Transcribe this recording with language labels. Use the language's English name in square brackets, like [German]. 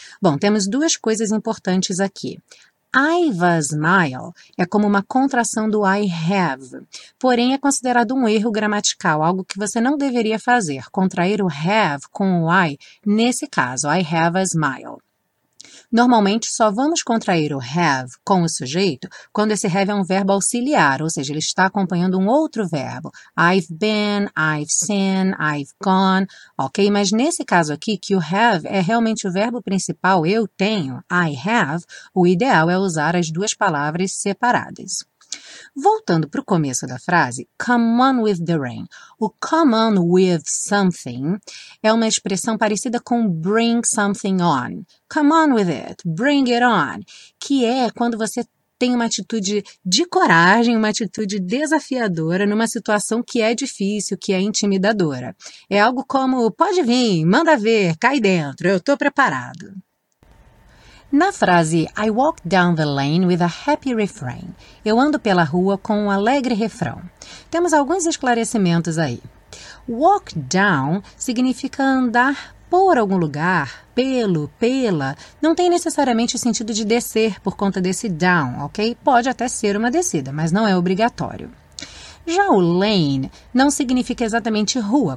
[Portuguese] Bom, temos duas coisas importantes aqui. I've a smile é como uma contração do I have, porém é considerado um erro gramatical, algo que você não deveria fazer, contrair o have com o I, nesse caso, [English] I have a smile. [Portuguese] Normalmente, só vamos contrair o have com o sujeito quando esse have é um verbo auxiliar, ou seja, ele está acompanhando um outro verbo. [English] I've been, I've seen, I've gone, ok? [Portuguese] Mas nesse caso aqui, que o have é realmente o verbo principal, eu tenho, I have, o ideal é usar as duas palavras separadas. Voltando para o começo da frase, [English] come on with the rain. [Portuguese] O come on with something é uma expressão parecida com bring something on. [English] Come on with it, bring it on. [Portuguese] Que é quando você tem uma atitude de coragem, uma atitude desafiadora numa situação que é difícil, que é intimidadora. É algo como, pode vir, manda ver, cai dentro, eu estou preparado. Na frase, [English] I walk down the lane with a happy refrain. [Portuguese] Eu ando pela rua com um alegre refrão. Temos alguns esclarecimentos aí. Walk down significa andar por algum lugar, pelo, pela, não tem necessariamente o sentido de descer por conta desse down, ok? Pode até ser uma descida, mas não é obrigatório. Já o lane não significa exatamente rua.